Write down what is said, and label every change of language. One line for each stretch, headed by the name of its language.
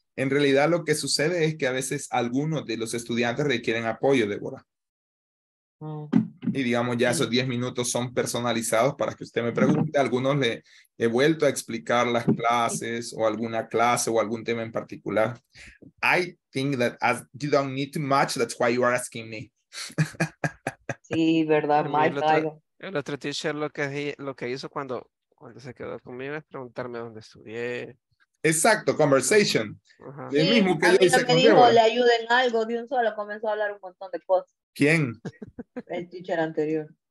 Spanish: En realidad lo que sucede es que a veces algunos de los estudiantes requieren apoyo, Débora. Y digamos ya esos 10 minutos son personalizados para que usted me pregunte. Algunos le he vuelto a explicar las clases o alguna clase o algún tema en particular.
English: I think that as you don't need too much, that's why you are asking me.
Spanish: Sí, verdad, Mike. El otro teacher lo que hizo cuando se quedó conmigo es preguntarme dónde estudié. Exacto, conversation. Sí, el mismo que a mí lo que dijo, le ayuden algo, de un solo comenzó a hablar un montón de cosas. ¿Quién? El teacher anterior.